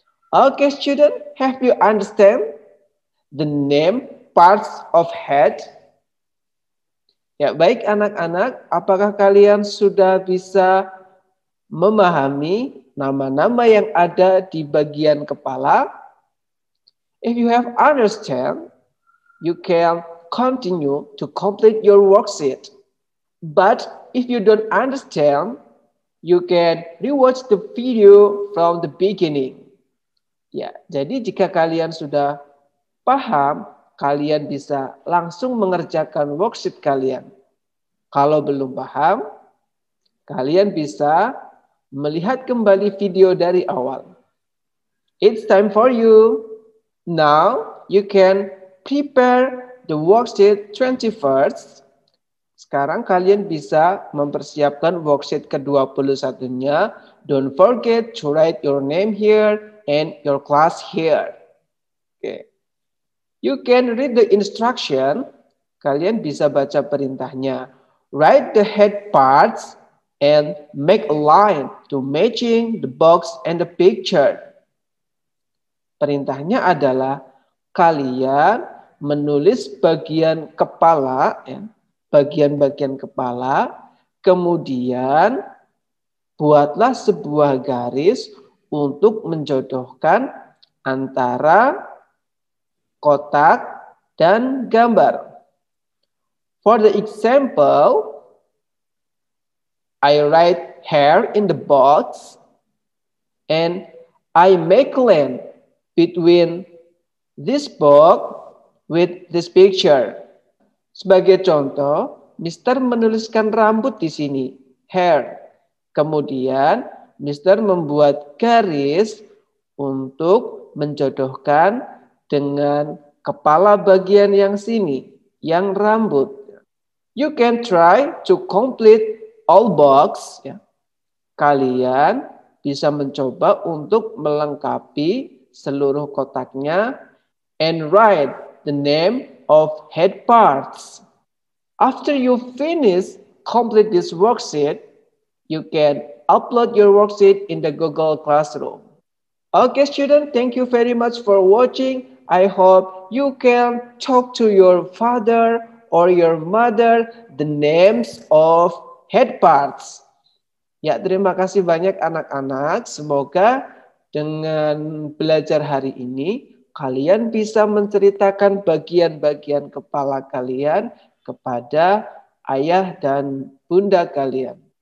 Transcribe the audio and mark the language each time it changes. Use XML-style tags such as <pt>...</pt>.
<en>Okay, student, have you understand the name parts of head?</en> <id>Ya, baik anak-anak, apakah kalian sudah bisa memahami nama-nama yang ada di bagian kepala?</id> <en>If you have understand, you can continue to complete your worksheet. But if you don't understand, you can rewatch the video from the beginning.</en> <id>Ya, jadi jika kalian sudah paham, kalian bisa langsung mengerjakan worksheet kalian. Kalau belum paham, kalian bisa melihat kembali video dari awal.</id> <en>It's time for you. Now you can prepare the worksheet 21st.</en> <id>Sekarang kalian bisa mempersiapkan worksheet ke-21-nya.</id> <en>Don't forget to write your name here and your class here. Okay. You can read the instruction.</en> <id>Kalian bisa baca perintahnya.</id> <en>Write the head parts and make a line to matching the box and the picture.</en> <id>Perintahnya adalah kalian menulis bagian kepala, ya, bagian-bagian kepala, kemudian buatlah sebuah garis untuk menjodohkan antara kotak dan gambar.</id> <en>For the example, I write hair in the box and I make line between this book with this picture.</en> <id>Sebagai contoh, Mr. menuliskan rambut di sini, hair. Kemudian, Mr. membuat garis untuk menjodohkan dengan kepala bagian yang sini, yang rambut.</id> <en>You can try to complete all box.</en> <id>Kalian bisa mencoba untuk melengkapi seluruh kotaknya</id> <en>and write the name of head parts. After you finish complete this worksheet, you can upload your worksheet in the Google Classroom. Okay, student, thank you very much for watching. I hope you can talk to your father or your mother the names of head parts.</en> <id>Ya, terima kasih banyak anak-anak. Semoga dengan belajar hari ini, kalian bisa menceritakan bagian-bagian kepala kalian kepada ayah dan bunda kalian.</id>